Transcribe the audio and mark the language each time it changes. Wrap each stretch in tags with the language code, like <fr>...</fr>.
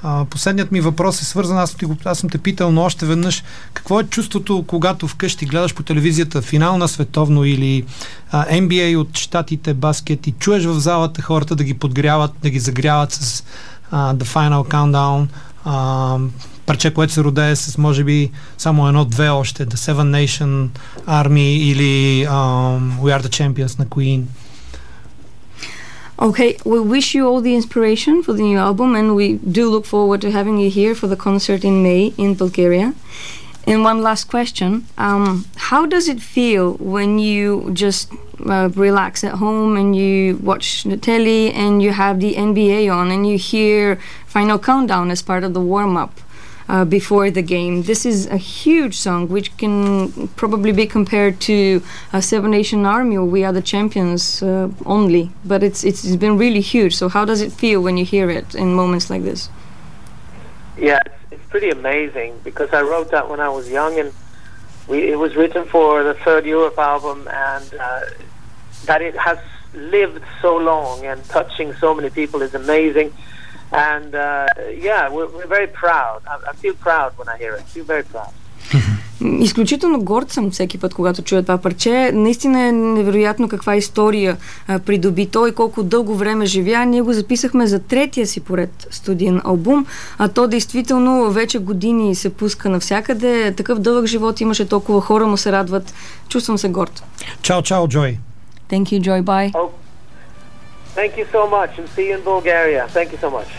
<bg>Последният ми въпрос е свързан, аз съм те питал, но още веднъж, какво е чувството, когато вкъщи гледаш по телевизията финал на световно или NBA от щатите, баскет, и чуеш в залата хората да ги подгряват, да ги загряват с The Final Countdown, парче, което се родее с може би само едно-две още, The Seven Nation Army или We Are The Champions на Queen.</bg> <en>Okay, we wish you all the inspiration for the new album, and we do look forward to having you here for the concert in May in Bulgaria. And one last question. How does it feel when you just relax at home and you watch the telly and you have the NBA on and you hear Final Countdown as part of the warm-up before the game? This is a huge song which can probably be compared to a Seven Nation Army or We Are the Champions only, but it's been really huge. So how does it feel when you hear it in moments like this? Yeah, it's pretty amazing, because I wrote that when I was young, and it was written for the third Europe album, and that it has lived so long and touching so many people is amazing. And we're very proud. I feel proud when I hear it. I feel very proud.</en> <bg>Изключително горд съм всеки път, когато чуя това парче. Наистина е невероятно каква история придоби той, колко дълго време живя. Ние го записахме за третия си поред студиен албум, а то действително вече години се пуска навсякъде. Такъв дълъг живот имаше, толкова хора му се радват. Чувствам се горд. Чао, чао, Джой.</bg> <en>Thank you, Joy. Bye. Oh. Thank you so much, and see you in Bulgaria. Thank you so much.</en>